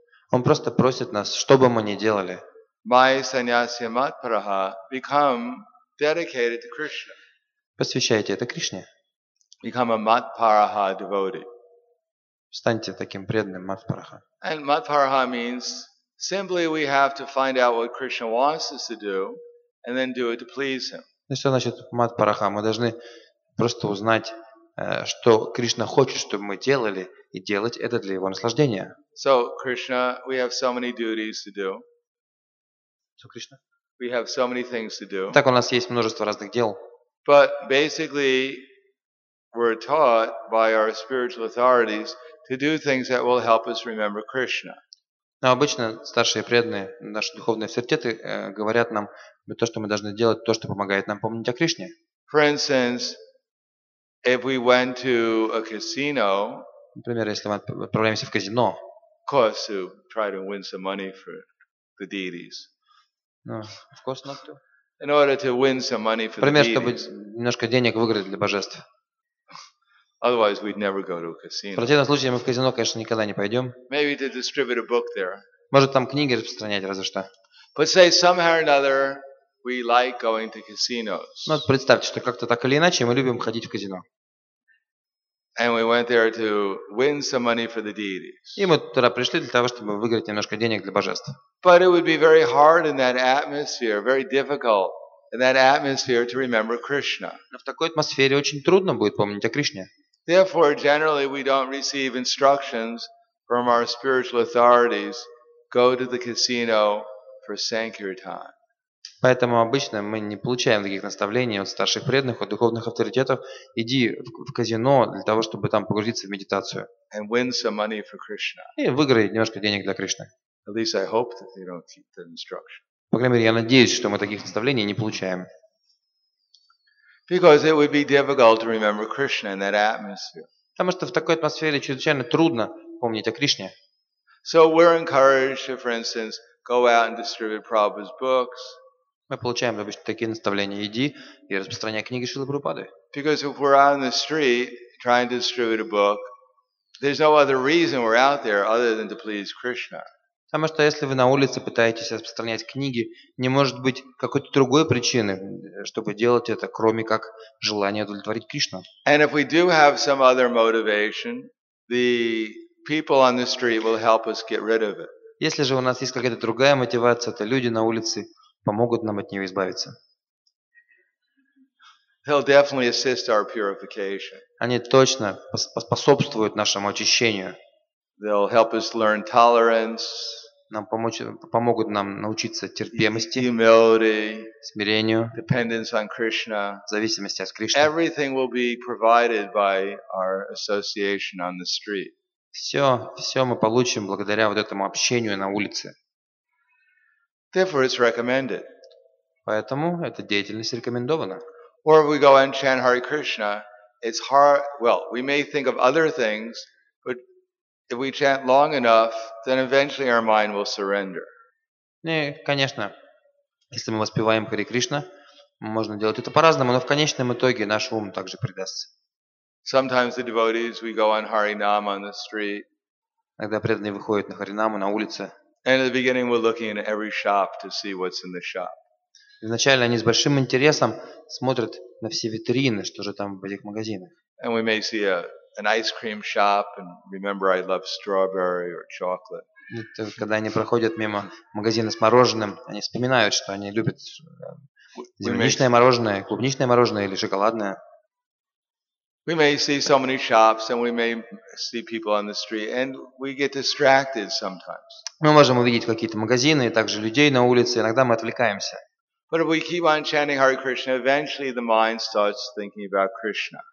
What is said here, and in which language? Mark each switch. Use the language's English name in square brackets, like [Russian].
[Russian] Он просто просит нас, что бы мы ни делали. [Sanskrit] Maya sanyasya matparaha, [English] become dedicated to Krishna. [Russian] Посвящайте это Кришне. [English] Become a matparaha devotee. [Russian] Станьте таким преданным матпараха. [English] And matparaha means simply we have to find out what Krishna wants us to do and then do it to please him. [Russian] Что значит матпараха? Мы должны просто узнать, что Кришна хочет, чтобы мы делали, и делать это для его наслаждения. [English] So, Krishna, we have so many duties to do. [Russian] Кришна. [English] We have so many things to do. [Russian] Так у нас есть множество разных дел. [English] But basically, we're taught by our spiritual authorities to do things that will help us remember Krishna. [Russian] Но обычно старшие преданные, наши духовные авторитеты, говорят нам, то, что мы должны делать, то, что помогает нам помнить о Кришне. [English] For instance, if we went to a casino, [Russian] например, если мы отправляемся в казино, [English] of course to try to win some money for the deities. No, of course not to. In order to win some money for [Russian] например, [English] the deities. [Russian] Например, чтобы немножко денег выиграть для божеств. [English] Otherwise, we'd never go to a casino. [Russian] В противном случае мы в казино, конечно, никогда не пойдем. [English] Maybe to distribute a book there. [Russian] Может, там книги распространять, разве что. [English] But say somehow or another, we like going to casinos. [Russian] Ну, представьте, что как-то так или иначе мы любим ходить в казино. [English] And we went there to win some money for the deities. [Russian] И мы туда пришли для того, чтобы выиграть немножко денег для божеств. [English] But it would be very hard in that atmosphere, very difficult in that atmosphere to remember Krishna. [Russian] Но в такой атмосфере очень трудно будет помнить о Кришне. [English] Therefore, generally, we don't receive instructions from our spiritual authorities. Go to the casino for sankirtan. [Russian] Поэтому обычно мы не получаем таких наставлений от старших преданных, от духовных авторитетов. Иди в казино для того, чтобы там погрузиться в медитацию. [English] And win some money for Krishna. [Russian] И выиграй немножко денег для Кришны. [English] At least I hope that they don't keep the instruction. [Russian] По крайней мере, я надеюсь, что мы таких наставлений не получаем. [English] Because it would be difficult to remember Krishna in that atmosphere. [Russian] Потому что в такой атмосфере чрезвычайно трудно помнить о Кришне. [English] So we're encouraged to, for instance, go out and distribute Prabhupada's books. [Russian] Мы получаем обычно такие наставления: иди и распространяй книги Шрилы Прабхупады. [English] Because if we're on the street trying to distribute a book, there's no other reason we're out there other than to please Krishna. [Russian] Потому что если вы на улице пытаетесь распространять книги, не может быть какой-то другой причины, чтобы делать это, кроме как желание удовлетворить Кришну. [English] And if we do have some other motivation, the people on the street will help us get rid of it. [Russian] Если же у нас есть какая-то другая мотивация, то люди на улице помогут нам от нее избавиться. [English] They'll definitely assist our purification. [Russian] Они точно способствуют нашему очищению. [English] They'll help us learn tolerance. [Russian] Нам помогут нам научиться терпимости. [English] Humility. [Russian] Смирению. [English] Dependence on Krishna. [Russian] Зависимости от Кришны. [English] Everything will be provided by our association on the street. [Russian] Все мы получим благодаря вот этому общению на улице. [English] Therefore, it's recommended. [Russian] Поэтому эта деятельность рекомендована. [English] Or if we go and chant Hare Krishna, it's hard. Well, we may think of other things. If we chant long enough, then eventually our mind will surrender. [Russian] Не, конечно, если мы воспеваем Хари Кришна, можно делать это по-разному, но в конечном итоге наш ум также предастся. [English] Sometimes the devotees we go on Харинам on the street. [Russian] Когда преданные выходят на Харинаму на улице. [English] And in the beginning we're looking in every shop to see what's in the shop. [Russian] Вначале они с большим интересом смотрят на все витрины, что же там в этих магазинах. [English] And we may see an ice cream shop and remember I love strawberry or chocolate. [Russian] Когда они проходят мимо магазина с мороженым, они вспоминают, что они любят земляничное мороженое, клубничное мороженое или шоколадное. [English] We may see so many shops and we may see people on the street and we get distracted sometimes. [Russian] Мы можем увидеть какие-то магазины и также людей на улице, иногда мы отвлекаемся. [English] But if we keep on chanting Hare Krishna, eventually the mind starts thinking about Krishna.